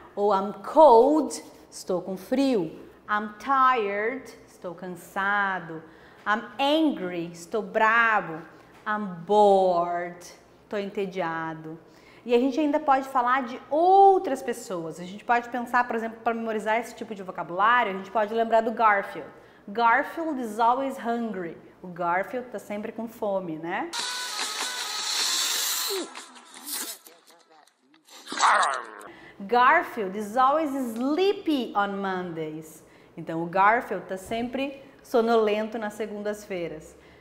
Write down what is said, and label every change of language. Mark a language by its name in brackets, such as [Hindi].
[Portuguese] Ou [English] I'm cold, [Portuguese] estou com frio. [English] I'm tired, [Portuguese] estou cansado. [English] I'm angry, [Portuguese] estou bravo. [English] I'm bored, [Portuguese] estou entediado. E a gente ainda pode falar de outras pessoas. A gente pode pensar, por exemplo, para memorizar esse tipo de vocabulário, a gente pode lembrar do Garfield. [English] Garfield is always hungry. [Portuguese] O Garfield está sempre com fome, né? [English] Garfield is always sleepy on Mondays. [Portuguese] Então, o Garfield está sempre sonolento nas segundas-feiras.